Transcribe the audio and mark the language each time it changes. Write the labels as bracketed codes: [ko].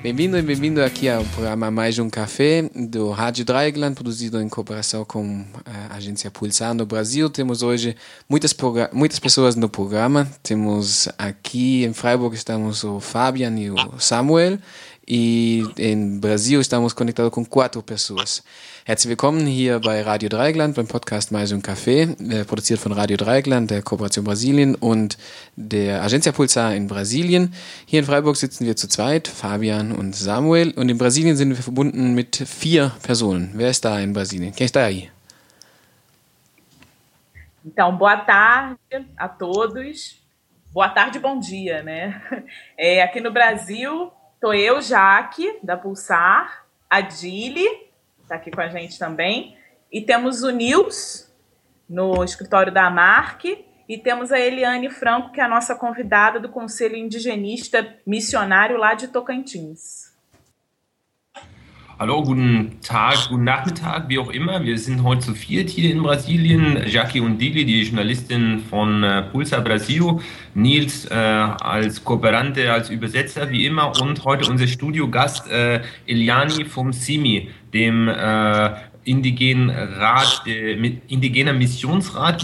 [pt] Bem-vindo e bem-vindo aqui ao programa Mais um Café do Rádio Dreieckland, produzido em cooperação com a agência Pulsar no Brasil. Temos hoje muitas pessoas no programa. Temos aqui em Freiburg, estamos o Fabian e o Samuel. E em Brasil estamos conectados com 4 pessoas. [de] Herzlich willkommen hier bei Radio Dreieckland, beim Podcast Mais um Café, produziert von Radio Dreieckland, der Kooperation Brasilien und der Agencia Pulsar in Brasilien. Hier in Freiburg sitzen wir zu zweit, Fabian und Samuel. Und in Brasilien sind wir verbunden mit 4 Personen. Wer ist da in Brasilien? [pt] Quem está aí? Então, boa tarde a todos. Boa tarde, bom dia, né? Aqui no Brasil, tô eu, Jaque, da Pulsar, a Dili está aqui com a gente também, e temos o Nils no escritório da Amarc, e temos a Eliane Franco, que é a nossa convidada do Conselho Indigenista Missionário lá de Tocantins. [de] Hallo, guten Tag, guten Nachmittag, wie auch immer. Wir sind heute zu viert hier in Brasilien. Jackie und Dili, die Journalistin von Pulsar Brasil. Nils als Kooperante, als Übersetzer, wie immer. Und heute unser Studiogast Eliane vom CIMI, dem indigener Missionsrat.